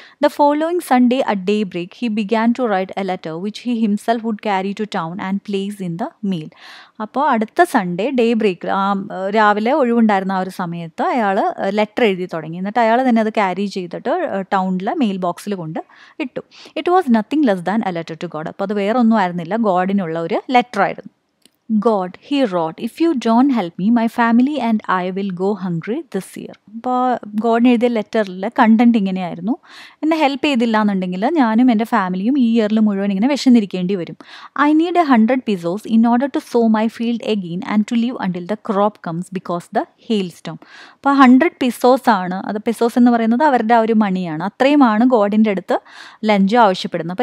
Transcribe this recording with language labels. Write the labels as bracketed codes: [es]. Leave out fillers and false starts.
[en] The following Sunday at daybreak he began to write a letter which he himself would carry to town and place in the mail. [ml] അപ്പോൾ അടുത്ത Sunday day break രാവിലെ ഒഴിവുണ്ടായിരുന്ന ആ ഒരു സമയത്ത് അയാൾ letter എഴുതി തുടങ്ങി. എന്നിട്ട് അയാൾ തന്നെ അത് ക്യാരി ചെയ്തിട്ട് ടൗണിലെ മെയിൽ ബോക്സിൽ കൊണ്ട് ഇട്ടു. [en] It was nothing less than a letter to God. [ml] അപ്പോൾ അത് വേറെ ഒന്നും ആയിരുന്നില്ല, ഗോഡിനുള്ള ഒരു ലെറ്റർ ആയിരുന്നു. [en] God, he wrote, if you don't help me, my family and I will go hungry this year. [ml] അപ്പോൾ ഗോഡ് എഴുതിയ ലെറ്ററിലെ കണ്ടന്റ് ഇങ്ങനെയായിരുന്നു, എന്നെ ഹെൽപ്പ് ചെയ്തില്ല എന്നുണ്ടെങ്കിൽ ഞാനും എൻ്റെ ഫാമിലിയും ഈ ഇയറിൽ മുഴുവൻ ഇങ്ങനെ വിശന്നിരിക്കേണ്ടി വരും. [en] I need 100 pesos in order to sow my field again and to leave until the crop comes because the hail storm. [ml] അപ്പോൾ 100 pesos ആണ്, അത് പെസോസ് എന്ന് പറയുന്നത് അവരുടെ ആ ഒരു മണിയാണ്, അത്രയുമാണ് ഗോഡിൻ്റെ അടുത്ത് ലഞ്ചോ ആവശ്യപ്പെടുന്നത്.